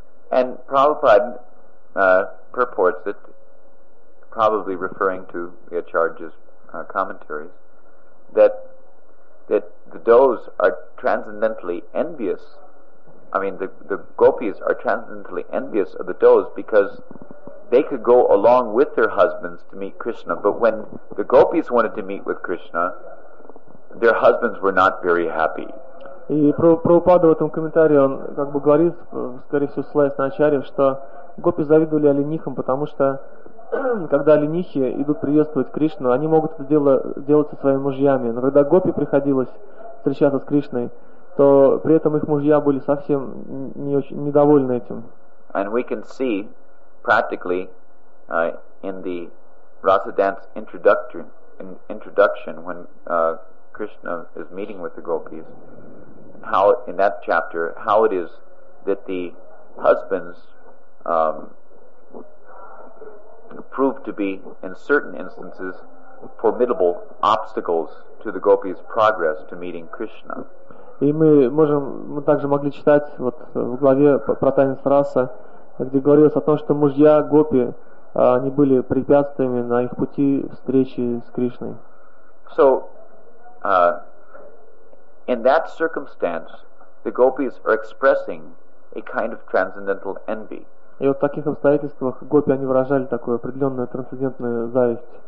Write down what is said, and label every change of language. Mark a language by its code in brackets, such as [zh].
[en] And Prabhupada purports it, probably referring to the Acharya's commentaries, that the does are transcendentally envious. I mean, the gopis are transcendentally envious of the does because they could go along with their husbands to meet Krishna. But when the gopis wanted to meet with Krishna, their husbands were not very happy. [ru] И Прабхупада в этом комментарии, он как бы говорит, скорее всего, ссылаясь на Ачарьев, что гопи завидовали оленихам, потому что когда оленихи идут приветствовать Кришну, они могут это делать со своими мужьями. Но когда гопи приходилось встречаться с Кришной, то при этом их мужья были совсем не очень недовольны этим. [en] And we can see practically in the Rasa dance introduction when Krishna is meeting with the gopis, how in that chapter how it is that the husbands prove to be in certain instances formidable obstacles to the gopis' progress to meeting Krishna. [ru] И мы также могли читать вот в главе про танец Раса, где говорилось о том, что мужья гопи они были препятствиями на их пути встречи с Кришной. [en] So in that circumstance the gopis are expressing a kind of transcendental envy. [ru] И вот в таких обстоятельствах гопи они выражали такую определенную трансцендентную зависть.